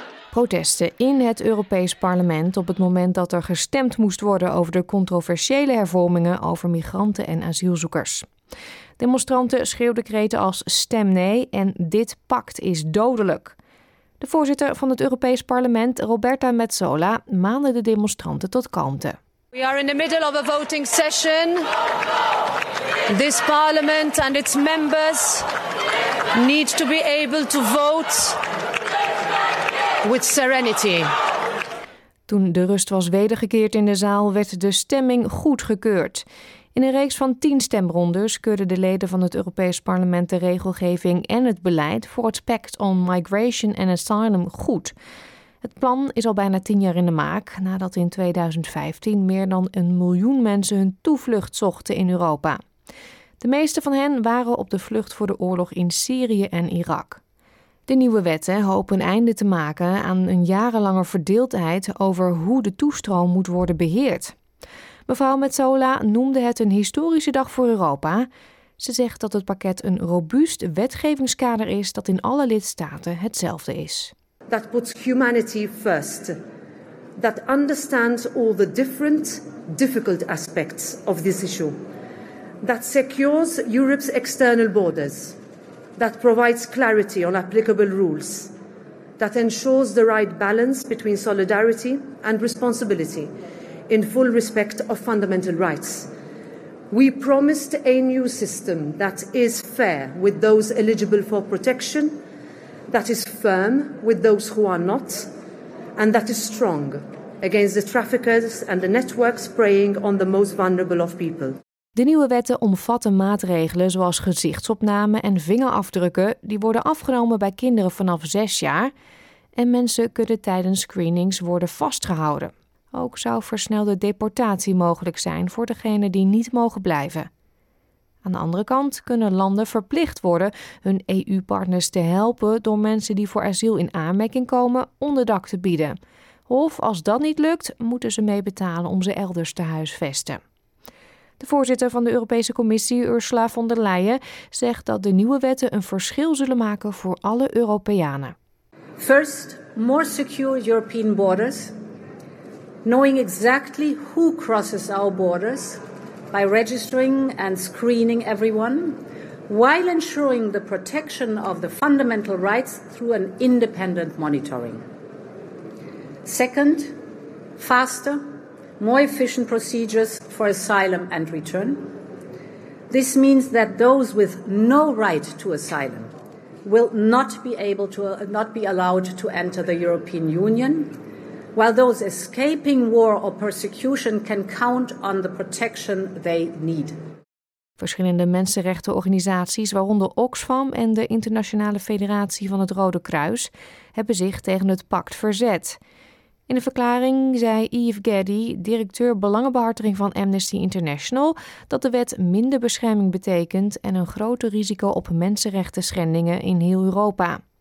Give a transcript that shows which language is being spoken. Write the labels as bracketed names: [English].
[Dutch] Protesten in het Europees Parlement op het moment dat er gestemd moest worden over de controversiële hervormingen over migranten en asielzoekers. Demonstranten schreeuwden kreten als stem nee en dit pact is dodelijk. De voorzitter van het Europees Parlement, Roberta Metsola, maande de demonstranten tot kalmte. [English] We are in the middle of a voting session. This parliament and its members need to be able to vote with serenity. [Dutch] Toen de rust was wedergekeerd in de zaal, werd de stemming goedgekeurd. In een reeks van 10 stemrondes keurden de leden van het Europees Parlement de regelgeving en het beleid voor het Pact on Migration and Asylum goed. Het plan is al bijna 10 jaar in de maak, nadat in 2015 meer dan 1 miljoen mensen hun toevlucht zochten in Europa. De meeste van hen waren op de vlucht voor de oorlog in Syrië en Irak. De nieuwe wetten hopen een einde te maken aan een jarenlange verdeeldheid over hoe de toestroom moet worden beheerd. Mevrouw Metsola noemde het een historische dag voor Europa. Ze zegt dat het pakket een robuust wetgevingskader is dat in alle lidstaten hetzelfde is. [English] That puts humanity first. That understands all the different, difficult aspects of this issue. That secures Europe's external borders. That provides clarity on applicable rules. That ensures the right balance between solidarity and responsibility in full respect of fundamental rights. We promised a new system that is fair with those eligible for protection, that is firm with those who are not, and that is strong against the traffickers and the networks preying on the most vulnerable of people. [Dutch] De nieuwe wetten omvatten maatregelen zoals gezichtsopname en vingerafdrukken die worden afgenomen bij kinderen vanaf 6 jaar. En mensen kunnen tijdens screenings worden vastgehouden. Ook zou versnelde deportatie mogelijk zijn voor degenen die niet mogen blijven. Aan de andere kant kunnen landen verplicht worden hun EU-partners te helpen door mensen die voor asiel in aanmerking komen onderdak te bieden. Of als dat niet lukt, moeten ze mee betalen om ze elders te huisvesten. De voorzitter van de Europese Commissie, Ursula von der Leyen, zegt dat de nieuwe wetten een verschil zullen maken voor alle Europeanen. [English] First, more secure European borders. Knowing exactly who crosses our borders by registering and screening everyone, while ensuring the protection of the fundamental rights through an independent monitoring. Second, faster, more efficient procedures for asylum and return. This means that those with no right to asylum will not be allowed to enter the European Union, while those escaping war or persecution can count on the protection they need. [Dutch] Verschillende mensenrechtenorganisaties, waaronder Oxfam en de Internationale Federatie van het Rode Kruis, hebben zich tegen het pact verzet. In de verklaring zei Yves Geddy, directeur belangenbehartiging van Amnesty International, dat de wet minder bescherming betekent en een groter risico op mensenrechten schendingen in heel Europa.